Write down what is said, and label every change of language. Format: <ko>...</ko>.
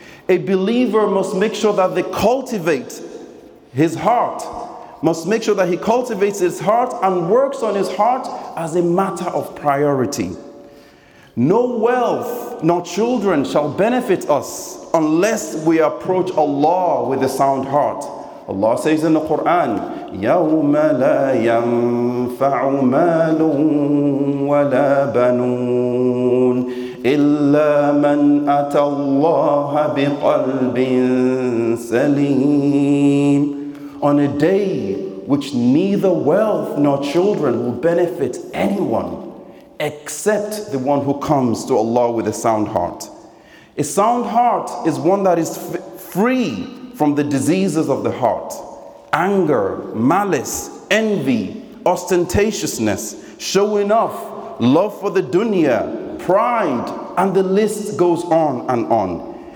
<en>A believer must make sure that they cultivate his heart, must make sure that he cultivates his heart and works on his heart as a matter of priority. No wealth nor children shall benefit us unless we approach Allah with a sound heart. Allah says in the Quran,</en> <ar>يوم لا ينفع مال ولا بنون إلا من أتى الله بقلب سليم.</ar> <en>On a day which neither wealth nor children will benefit anyone except the one who comes to Allah with a sound heart. A sound heart is one that is free from the diseases of the heart: anger, malice, envy, ostentatiousness, showing off, love for the dunya, pride, and the list goes on and on.</en>